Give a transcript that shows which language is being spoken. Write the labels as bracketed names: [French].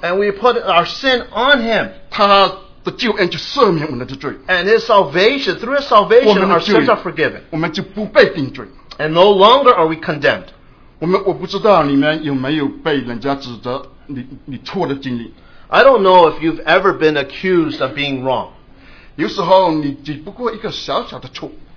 [English] and we put our sin on him, and his salvation, through his salvation, [Chinese] 我们的罪, [English] our sins are forgiven. [Chinese] 我们就不被定罪, [English] and no longer are we condemned. [Chinese] 我不知道你们有没有被人家指责你错的经历, [English] I don't know if you've ever been accused of being wrong. [Chinese] 有时候你只不过一个小小的错,